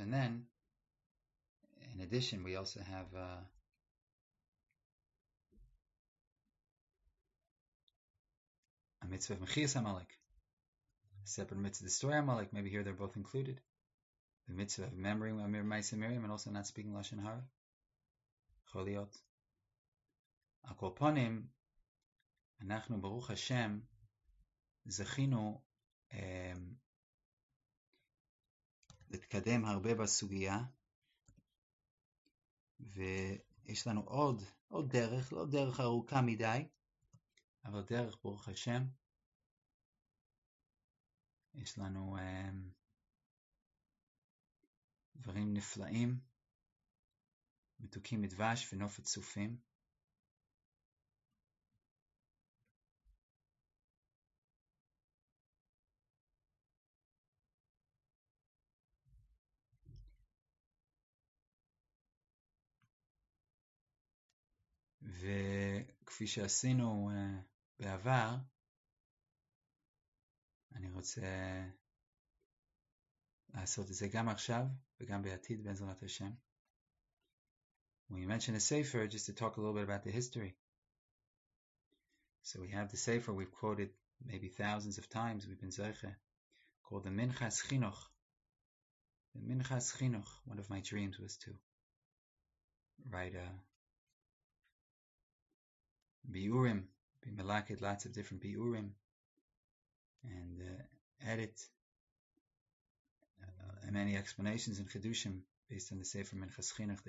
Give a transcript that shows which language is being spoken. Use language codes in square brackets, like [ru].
[en] And then, in addition, we also have a mitzvah of Mechias Amalek, a separate mitzvah to destroy Amalek. Maybe here they're both included. The mitzvah of remembering Maisa Miriam and also not speaking Lashon Hara. Choliot. [he] Akoponim, Anachnu Baruch Hashem, Zechinu, להתקדם הרבה בסוגיה, ויש לנו עוד דרך, לא דרך ארוכה מדי, אבל דרך ברוך השם. יש לנו דברים נפלאים, מתוקים מדבש ונופת סופים. וכפי שעשינו בעבר, אני רוצה לעשות את זה גם עכשיו וגם בעתיד בעזרת השם. [en] We mentioned a sefer just to talk a little bit about the history. So we have the sefer we've quoted maybe thousands of times, we've been zeiche, called the Minchas Chinuch. The Minchas Chinuch, one of my dreams was to write a Biurim, be melaked, lots of different biurim, and edit many explanations and chidushim based on the Sefer Minchas Chinuch.